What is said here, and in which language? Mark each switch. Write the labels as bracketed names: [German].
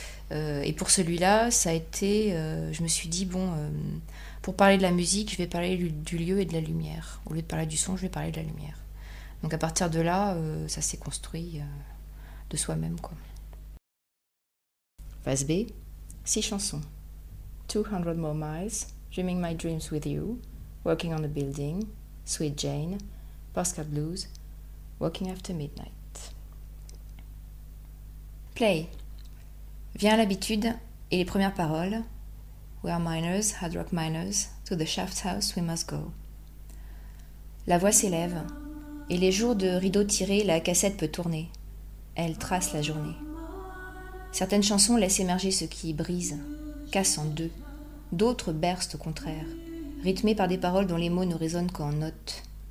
[French] Et pour celui-là, ça a été. Je me suis dit, bon, pour parler de la musique, je vais parler du lieu et de la lumière. Au lieu de parler du son, je vais parler de la lumière. Donc, à partir de là, ça s'est construit de soi-même, quoi. Phase B, 6 chansons. [English] 200 more miles, dreaming my dreams with you. Working on a Building, Sweet Jane, Postcard Blues, Walking After Midnight. Play. [French] Vient l'habitude et les premières paroles. [English] We are miners, hard rock miners, to the shaft house we must go. [French] La voix s'élève et les jours de rideaux tirés, la cassette peut tourner. Elle trace la journée. Certaines chansons laissent émerger ce qui brise, casse en deux. D'autres bercent au contraire. Rythmé par des paroles dont les mots ne résonnent qu'en notes.